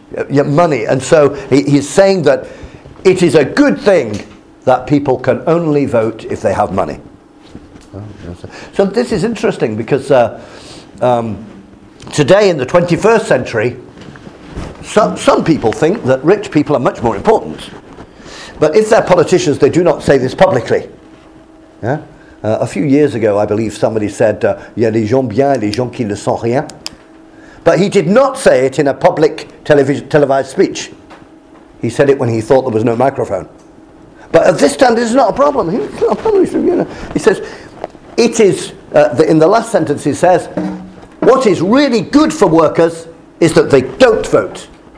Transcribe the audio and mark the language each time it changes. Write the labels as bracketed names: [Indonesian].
[English] Yeah, money. And so he's saying that it is a good thing that people can only vote if they have money. So this is interesting because today in the 21st century, some people think that rich people are much more important. But if they're politicians, they do not say this publicly. Yeah? A few years ago, I believe somebody said, [French] il y a les gens bien et les gens qui ne sont rien. [English] But he did not say it in a public televised speech. He said it when he thought there was no microphone. But at this time, this is not a problem. He says, it is, in the last sentence he says, what is really good for workers is that they don't vote.